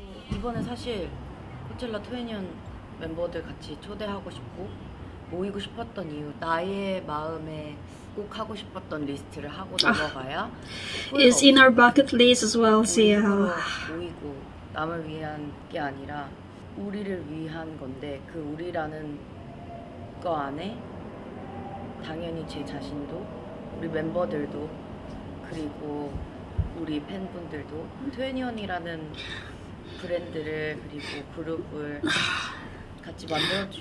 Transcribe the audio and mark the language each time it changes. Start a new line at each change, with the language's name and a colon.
Korean: Even 사실 코첼라 2NE1 멤버들 같이 초대하고 싶고 모이고 싶었던 이유, 나의 마음에 꼭 하고 싶었던 리스트를 하고 넘어가야.
English: It's in our bucket list as well, CL.
Korean: 모이고 남을 위한 게 아니라 우리를 위한 건데 그 우리라는 거 안에 당연히 제 자신도 우리 멤버들도 그리고 우리 팬분들도 2NE1이라는 브랜드를 그리고 그룹을 같이 만들어주신